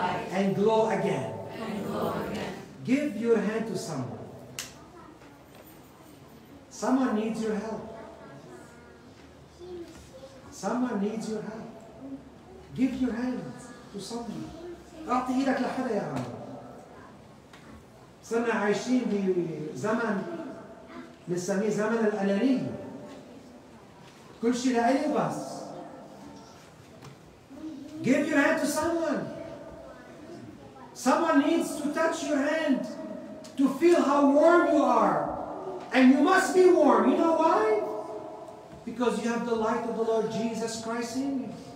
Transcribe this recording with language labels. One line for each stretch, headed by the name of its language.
English: and glow again. Give your hand to someone. Someone needs your help. Someone needs your help. Give your hand to someone.
Arabic: أعطي إيدك لحدا يا عم. صرنا عايشين في زمن نسميه زمن الأنانية. كل شيء لأي بس.
English: Give your hand to someone. Someone needs to touch your hand to feel how warm you are. And you must be warm. You know why? Because you have the light of the Lord Jesus Christ in you.